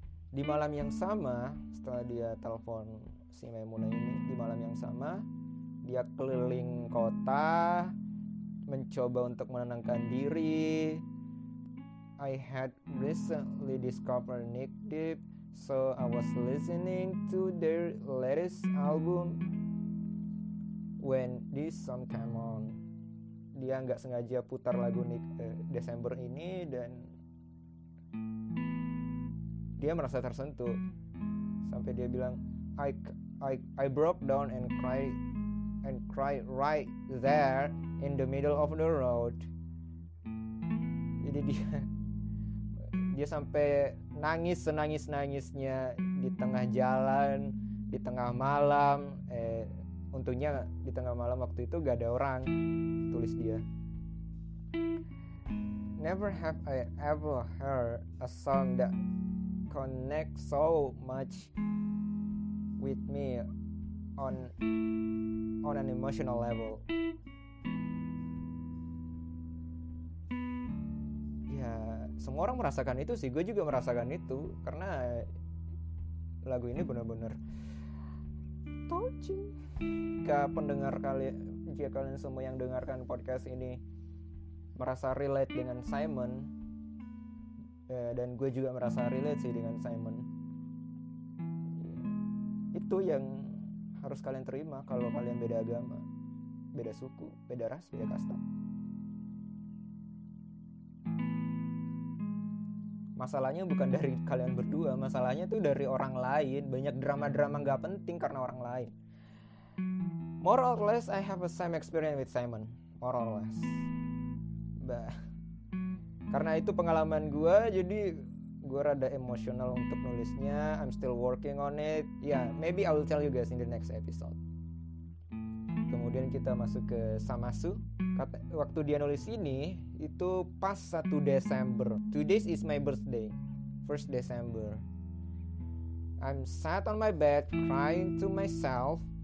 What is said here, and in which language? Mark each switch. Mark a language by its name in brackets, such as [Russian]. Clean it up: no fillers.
[Indonesian] Di malam yang sama, setelah dia telepon si Maimunah ini, di malam yang sama dia keliling kota mencoba untuk menenangkan diri. [English] I had recently discovered Nick Deep, so I was listening to their latest album when this song came on. [Indonesian] Dia gak sengaja putar lagu Nick Desember ini dan dia merasa tersentuh. Sampai dia bilang, [English] I broke down and cried right there in the middle of the road. [Indonesian] Jadi dia sampai nangis-nangis-nangisnya di tengah jalan, di tengah malam. Untungnya di tengah malam waktu itu gak ada orang, tulis dia. [English] Never have I ever heard a song that connect so much with me on an emotional level. [Indonesian] Ya, semua orang merasakan itu sih, gue juga merasakan itu karena lagu ini benar-benar touching. Ke pendengar kalian, jika kalian semua yang dengarkan podcast ini merasa relate dengan Simon. Dan gue juga merasa relate sih dengan Simon. Itu yang harus kalian terima kalau kalian beda agama, beda suku, beda ras, beda kasta. Masalahnya bukan dari kalian berdua, masalahnya tuh dari orang lain. Banyak drama-drama gak penting karena orang lain. [English] More or less, I have a same experience with Simon. More or less. [Indonesian] Bah. Karena itu pengalaman gue, jadi gue rada emosional untuk nulisnya. [English] I'm still working on it. Yeah, maybe I will tell you guys in the next episode. [Indonesian] Kemudian kita masuk ke Samasu. Waktu dia nulis ini, itu pas 1 Desember. [English] Today is my birthday, 1st December. I'm sat on my bed, crying to myself,